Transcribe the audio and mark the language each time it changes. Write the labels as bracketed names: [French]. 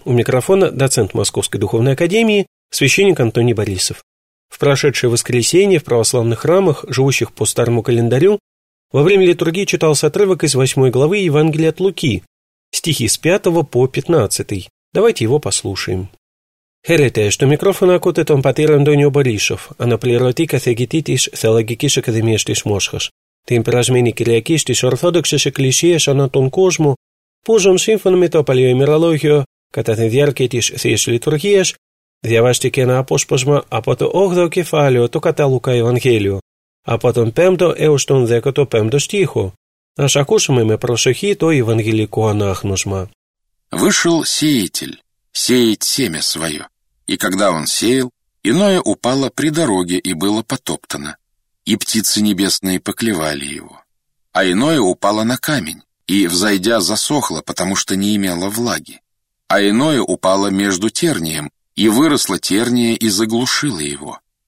[Russian] У микрофона доцент Московской духовной академии, священник Антоний Борисов. В прошедшее воскресенье в православных храмах, живущих по старому календарю, во время литургии читался отрывок из 8 главы Евангелия от Луки, стихи с 5 по 15. Давайте его послушаем. [Greek] Χαίρετε, στο μικρόφωνο ακούτε τον πατήρ Αντώνιο Μπορίσοφ, αναπληρωτή καθηγητή της Θεολογικής Ακαδημίας της Μόσχας, την περασμένη Κυριακή στις Ορθόδοξες Εκκλησίες ανά τον κόσμο, που ζουν σύμφωνα με το παλιό ημερολόγιο, κατά τη διάρκεια της Θείας Λειτουργίας, διαβάστηκε ένα απόσπασμα από το 8ο κεφάλαιο του κατά Λουκά Ευαγγέλιο, από τον 5ο έως τον 15ο στίχο. Ας ακούσουμε με προσοχή το ευαγγελικό ανάγνωσμα. [Russian] Вышел сеятель. Сеет семя свое. И когда он сеял, иное упало при дороге и было потоптано. И птицы небесные поклевали его. А иное упало на камень, и, взойдя, засохло, потому что не имело влаги. А иное упало между тернием, и выросло терние и заглушило его.